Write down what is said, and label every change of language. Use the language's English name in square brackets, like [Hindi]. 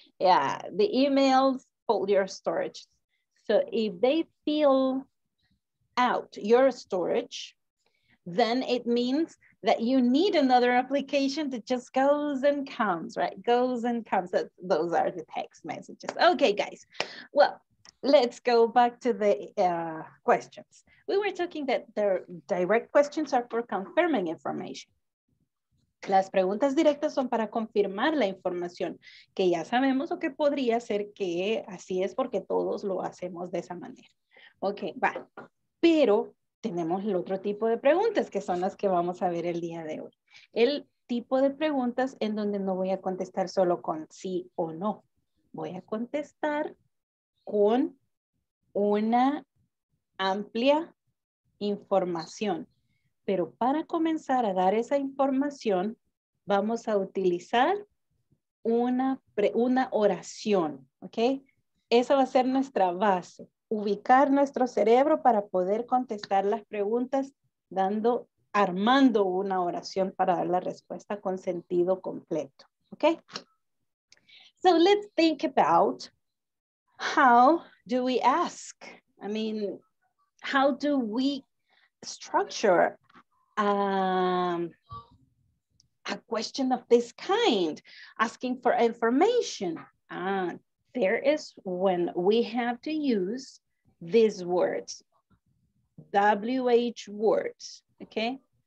[English] Yeah, the emails fill your storage. So if they fill out your storage, then it means that you need another application that just goes and comes, right? Goes and comes. Those are the text messages. Okay, guys. Well, let's go back to the questions. We were talking that the direct questions are for confirming information. [Spanish] Las preguntas directas son para confirmar la información que ya sabemos o que podría ser que así es porque todos lo hacemos de esa manera. Okay, va. Pero tenemos el otro tipo de preguntas que son las que vamos a ver el día de hoy. El tipo de preguntas en donde no voy a contestar solo con sí o no. Voy a contestar con una amplia información. Pero para comenzar a dar esa información, vamos a utilizar una oración, ¿ok? Esa va a ser nuestra base. Ubicar nuestro cerebro para poder contestar las preguntas dando, armando una oración para dar la respuesta con sentido completo. [English] Okay? So let's think about how do we ask? I mean, how do we structure a question of this kind? Asking for information. There is when we have to use these words, WH words, okay?